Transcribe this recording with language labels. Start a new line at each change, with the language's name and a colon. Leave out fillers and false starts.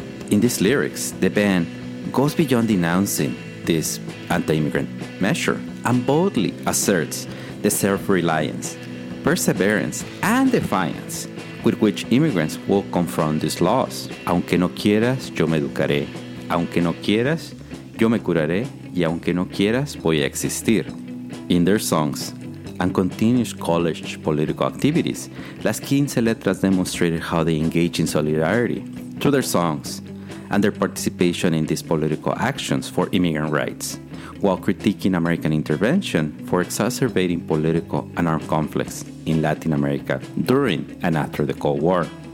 English: In these lyrics, the band goes beyond denouncing this anti-immigrant measure and boldly asserts the self-reliance, perseverance, and defiance with which immigrants will confront these laws.
Spanish: Aunque no quieras, yo me educaré. Aunque no quieras, yo me curaré. Y aunque no quieras, voy a existir.
English: In their songs and continuous college political activities, Las 15 Letras demonstrated how they engage in solidarity through their songs and their participation in these political actions for immigrant rights, while critiquing American intervention for exacerbating political and armed conflicts in Latin America during and after the Cold War.